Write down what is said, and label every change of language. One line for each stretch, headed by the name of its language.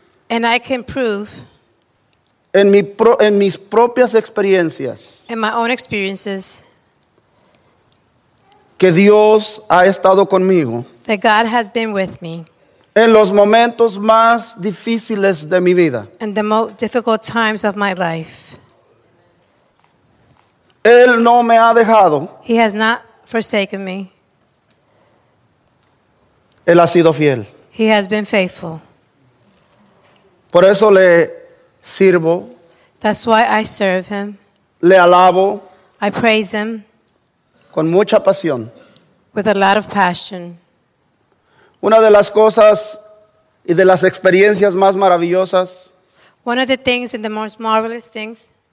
English: and I can prove,
Spanish: en mis propias experiencias,
English: in my own experiences,
Spanish: que Dios ha estado conmigo,
English: that God has been with me,
Spanish: en los momentos más difíciles de mi vida,
English: in the most difficult times of my life,
Spanish: Él no me ha dejado.
English: He has not forsaken me.
Spanish: Él ha sido fiel.
English: He has been faithful.
Spanish: Por eso le sirvo.
English: That's why I serve him.
Spanish: Le alabo.
English: I praise him.
Spanish: Con mucha pasión.
English: With a lot of passion.
Spanish: Una de las cosas y de las experiencias más maravillosas.
English: One of the things and the most marvelous things.